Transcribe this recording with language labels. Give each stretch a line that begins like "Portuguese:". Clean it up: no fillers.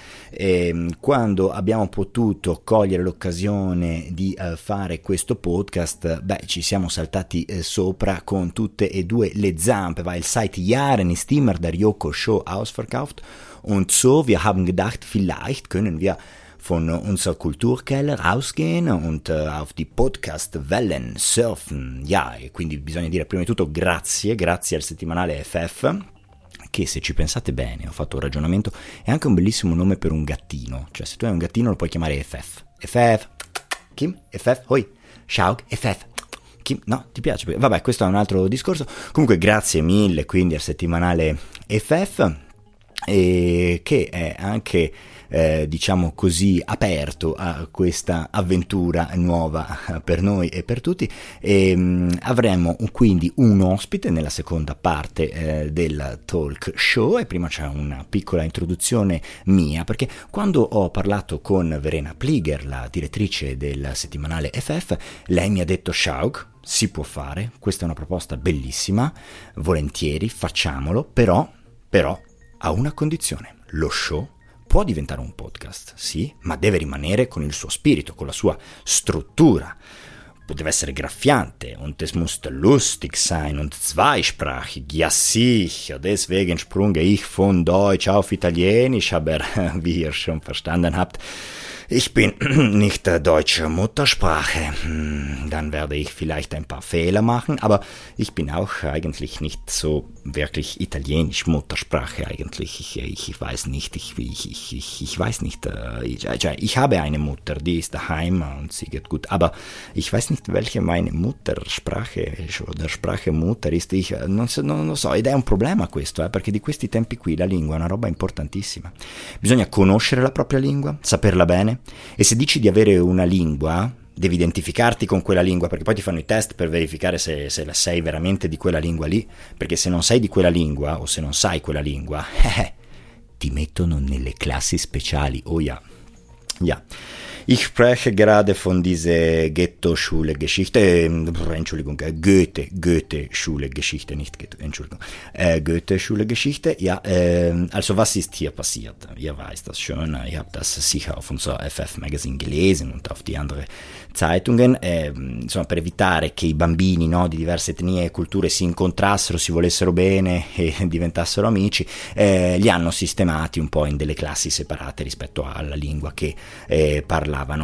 Italian: E quando abbiamo potuto cogliere l'occasione di fare questo podcast, beh, ci siamo saltati sopra con tutte e due le zampe.
German: Va il site Jahren ist immer der Yoko Show ausverkauft und so wir haben gedacht, vielleicht können wir von unser Kulturkeller ausgehen und auf die Podcast-Wellen surfen.
Italian: Ja, e quindi bisogna dire prima di tutto grazie al settimanale FF, che se ci pensate bene, ho fatto un ragionamento, è anche un bellissimo nome per un gattino. Cioè, se tu hai un gattino lo puoi chiamare FF. FF, Kim, FF, hoi, Shaug, FF. No, ti piace? Vabbè, questo è un altro discorso. Comunque, grazie mille, quindi, al settimanale FF, e che è anche, diciamo così, aperto a questa avventura nuova per noi e per tutti, e avremo quindi un ospite nella seconda parte del talk show. E prima c'è una piccola introduzione mia, perché quando ho parlato con Verena Plieger, la direttrice del settimanale FF, lei mi ha detto: Shaug, si può fare, questa è una proposta bellissima, volentieri facciamolo, però a una condizione: lo show può diventare un podcast, sì, ma deve rimanere con il suo spirito, con la sua struttura. Deve essere graffiante,
German: und es muss lustig sein und zweisprachig. Ja sicher, deswegen sprunge ich von Deutsch auf Italienisch, aber wie ihr schon verstanden habt, ich bin nicht deutsche Muttersprache. Dann werde ich vielleicht ein paar Fehler machen, aber ich bin auch eigentlich nicht so wirklich italienisch Muttersprache eigentlich. Ich habe eine Mutter, die ist daheim und sie geht gut, aber ich weiß nicht, welche meine Muttersprache oder Sprache Mutter ist.
Italian: Ich non lo so, ed è un problema questo, perché di questi tempi qui la lingua è una roba importantissima. Bisogna conoscere la propria lingua, saperla bene. E se dici di avere una lingua, devi identificarti con quella lingua, perché poi ti fanno i test per verificare se sei veramente di quella lingua lì, perché se non sei di quella lingua o se non sai quella lingua, ti mettono nelle classi speciali.
German: Oh ja, ja. Ich spreche gerade von diese Ghetto-Schule-Geschichte, Entschuldigung, Goethe-Schule-Geschichte, nicht Ghetto, Entschuldigung, Goethe-Schule-Geschichte, ja, also was ist hier passiert? Ihr weiß das schon, ihr habt das sicher auf unser FF-Magazine gelesen und auf die andere Zeitungen,
Italian: insomma, per evitare che i bambini, no, di diverse etnie e culture si incontrassero, si volessero bene e diventassero amici, li hanno sistemati un po' in delle classi separate rispetto alla lingua che parla.